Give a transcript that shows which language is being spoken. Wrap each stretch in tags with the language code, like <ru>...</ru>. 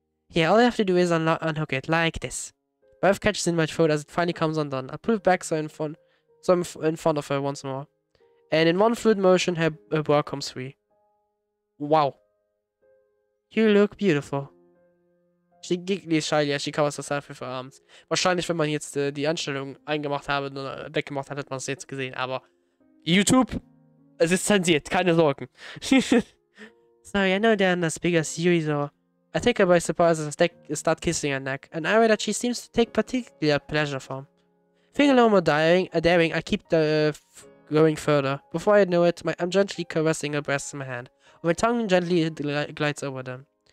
<en>Yeah, all I have to do is unhook it, like this. Both catches in my throat as it finally comes undone. I pull it back so I'm in front of her once more. And in one fluid motion, her bra comes free. Wow. You look beautiful. She giggles shyly as she covers herself with her arms.</en> <de>Wahrscheinlich, wenn man jetzt die Einstellung eingemacht habe oder weggemacht hat, hat man es jetzt gesehen, aber... YouTube, es ist zensiert, keine Sorgen.</de> <en>Sorry, I know they're not as big as you, though. I take her by surprise as I start kissing her neck, an area that she seems to take particular pleasure from. Feeling a little more daring, I keep going further. Before I know it, I'm gently caressing her breasts in my hand, while my tongue gently glides over them.</en>